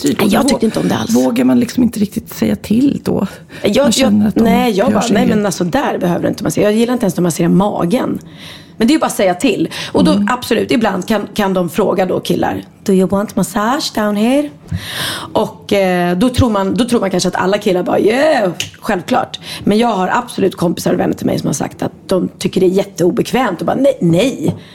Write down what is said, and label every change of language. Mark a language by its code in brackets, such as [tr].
[sv] Jag tyckte inte om det alls. Vågar man liksom inte riktigt säga till då? Där behöver du inte massera. Jag gillar inte ens att massera magen. Men det är ju bara att säga till. Och då absolut, ibland kan de fråga då killar. [en] Do you want massage down here? [sv] Och då tror man kanske att alla killar bara, yeah, självklart. Men jag har absolut kompisar och vänner till mig som har sagt att de tycker det är jätteobekvämt. Och bara, nej.